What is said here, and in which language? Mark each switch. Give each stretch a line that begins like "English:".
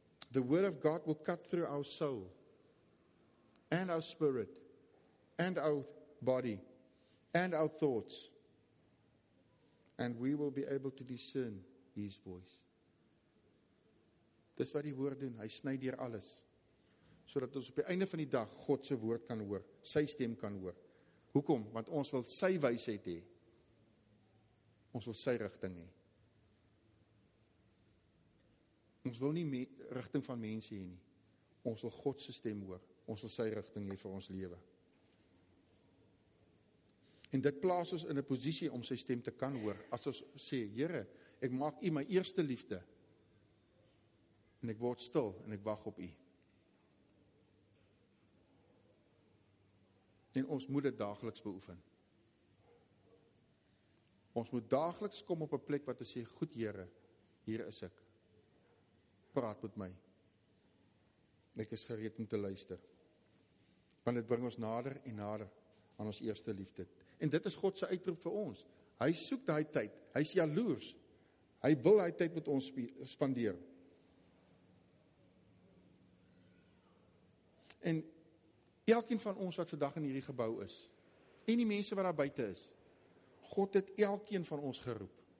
English: The word of God will cut through our soul and our spirit and our body and our thoughts and we will be able to discern his voice.
Afrikaans: Dis wat die woord doen, hy sny deur alles sodat ons op die einde van die dag God se woord kan hoor, sy stem kan hoor. Hoekom? Want ons wil sy wysheid hê. Ons wil sy rigting hê. Ons wil nie rigting van mense hê nie. Ons wil God se stem hoor. Ons wil sy rigting hê vir ons lewe. En dit plaas ons in 'n posisie om sy stem te kan hoor. As ons sê, Here, ek maak u my eerste liefde. En ek word stil en ek wag op u. En ons moet dit daagliks beoefen. Ons moet daagliks kom op 'n plek wat ons sê, goed Here, hier is ek. Praat met my. Ek is gereed om te luister. Want dit bring ons nader en nader aan ons eerste liefde. En dit is God se uitroep vir ons. Hy soek daai tyd. Hy is jaloers. Hy wil daai tyd met ons spandeer. En elkeen van ons wat vandag in hierdie gebou is, en die mense wat daar buite is, God het elkeen van ons geroep.